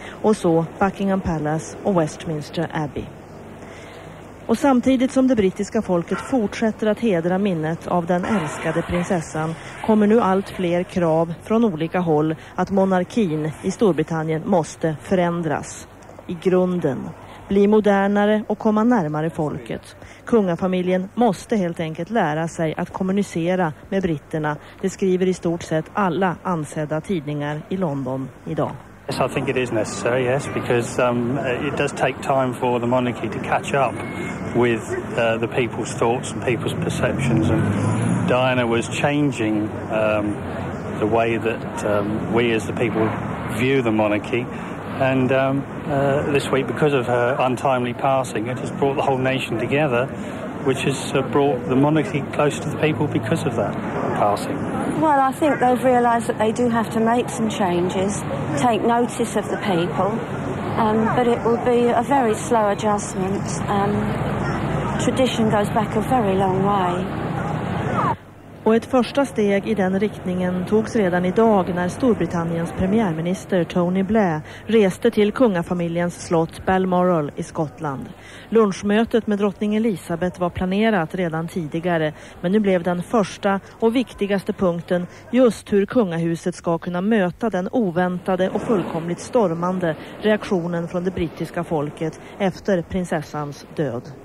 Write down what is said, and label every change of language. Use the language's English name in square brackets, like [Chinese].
[Swedish] Och så Buckingham Palace och Westminster Abbey. Och samtidigt som det brittiska folket fortsätter att hedra minnet av den älskade prinsessan kommer nu allt fler krav från olika håll att monarkin i Storbritannien måste förändras. I grunden. Bli modernare och komma närmare folket. Kungafamiljen måste helt enkelt lära sig att kommunicera med britterna. Det skriver i stort sett alla ansedda tidningar i London idag. [English] Yes, I think it is necessary, yes, because it does take time for the monarchy to catch up with the people's thoughts and people's perceptions. And Diana was changing the way that we as the people view the monarchy. And this week, because of her untimely passing, it has brought the whole nation together, which has brought the monarchy close to the people because of that passing. Well, I think they've realised that they do have to make some changes, take notice of the people, but it will be a very slow adjustment. Tradition goes back a very long way. [Swedish] Och ett första steg i den riktningen togs redan idag när Storbritanniens premiärminister Tony Blair reste till kungafamiljens slott Balmoral i Skottland. Lunchmötet med drottning Elizabeth var planerat redan tidigare, men nu blev den första och viktigaste punkten just hur kungahuset ska kunna möta den oväntade och fullkomligt stormande reaktionen från det brittiska folket efter prinsessans död.